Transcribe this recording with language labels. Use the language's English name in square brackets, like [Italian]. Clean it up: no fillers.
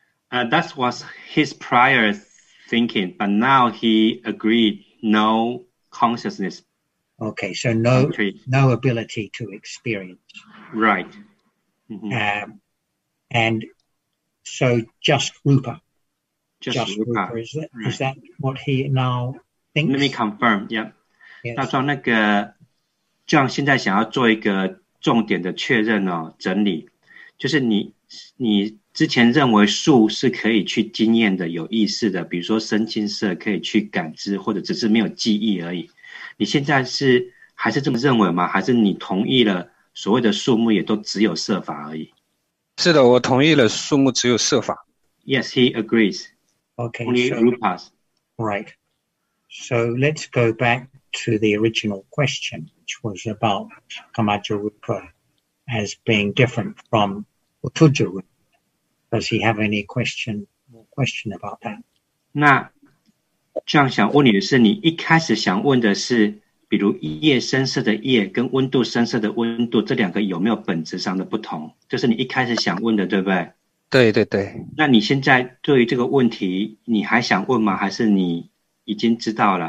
[English] That was his prior thinking, but now he agreed no consciousness. Okay, so no ability to experience. Right. Mm-hmm. And so just rupa. Just rupa. Rupa, is that, right. Is that what he now thinks? Let me confirm, yeah. Yes. [Chinese] 那个，John现在想要做一个重点的确认哦，整理，就是你之前认为树是可以去经验的，有意识的，比如说身心色可以去感知，或者只是没有记忆而已。你现在是还是这么认为吗？还是你同意了所谓的树木也都只有色法而已？是的，我同意了，树木只有色法。 [English] Yes, he agrees. Okay, only rupas. Right. So let's go back to the original question. Was about Kamaja Rupa as being different from Utuja Rupa. Does he have any question about that? [Chinese] 那这样想问你的是，你一开始想问的是，比如夜深色的夜跟温度深色的温度这两个有没有本质上的不同？就是你一开始想问的，对不对？对对对。那你现在对于这个问题，你还想问吗？还是你已经知道了？